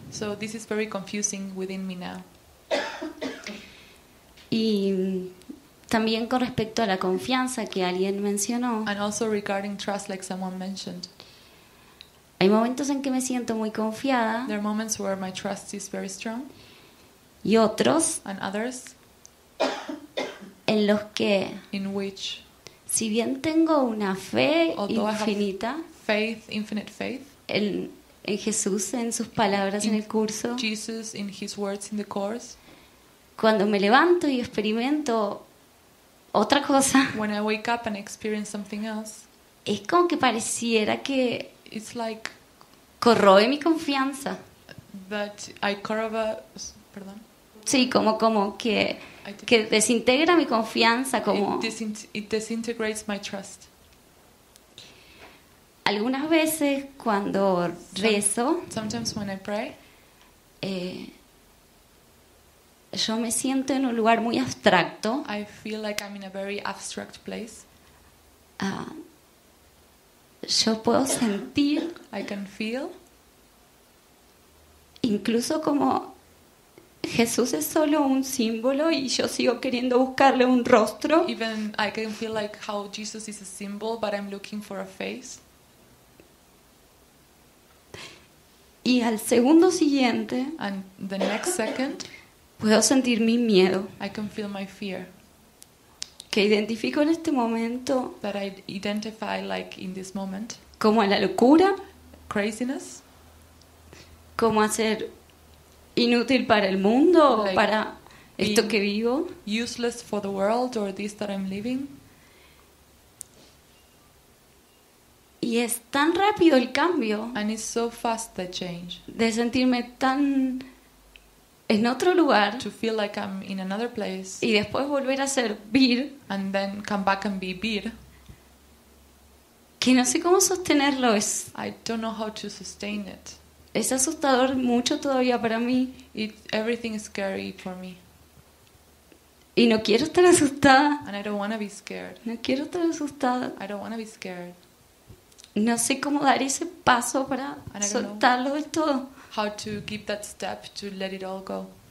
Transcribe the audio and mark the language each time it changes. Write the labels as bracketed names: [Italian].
[English] So this is very confusing within me now. [Spanish] Y también con respecto a la confianza que alguien mencionó. [English] And also regarding trust, like someone mentioned. [Spanish] Hay momentos en que me siento muy confiada. [English] There are moments where my trust is very strong. [Spanish] Y otros. [English] And others. [Spanish] En los que. [English] In which. [Spanish] Si bien tengo una fe infinita. [English] Faith, infinite faith. [Spanish] En Jesús, en sus palabras, en el curso. [English] Jesus, in his words, in the course. [Spanish] Cuando me levanto y experimento otra cosa. [English] When I wake up and experience something else. [Spanish] Es como que pareciera que. [English] It's like. [Spanish] Corroe mi confianza. [English] That I corrobe. [Spanish] Perdón. Sí, como que desintegra mi confianza, como. [English] It disintegrates my trust. [Spanish] Algunas veces cuando rezo, [English] sometimes when I pray, [Spanish] yo me siento en un lugar muy abstracto. [English] I feel like I'm in a very abstract place. [Spanish] Yo puedo sentir, [English] I can feel, [Spanish] incluso como Jesús es solo un símbolo y yo sigo queriendo buscarle un rostro. [English] Even I can feel like how Jesus is a symbol, but I'm looking for a face. [Spanish] Y al segundo siguiente, [English] and the next second, [Spanish] puedo sentir mi miedo. [English] I can feel my fear. [Spanish] Que identifico en este momento, [English] that I identify like in this moment, [Spanish] como a la locura, [English] craziness, [Spanish] como a ser inútil para el mundo, like, o para esto que vivo, [English] useless for the world or this that I'm living. [Spanish] Y es tan rápido el cambio. [English] And it's so fast, the change. [Spanish] De sentirme tan en otro lugar. [English] To feel like I'm in another place. [Spanish] Y después volver a ser Vir. [English] And then come back and be Vir. [Spanish] Que no sé cómo sostenerlo. [English] I don't know how to sustain it. [Spanish] Es asustador mucho todavía para mí. [English] Everything is scary for me. [Spanish] Y no quiero estar asustada. [English] And I don't want to be scared. [Spanish] No quiero estar asustada. [English] I don't want to be scared. [Spanish] No sé cómo dar ese paso para soltarlo del todo. [English] how to give that step to let it all go.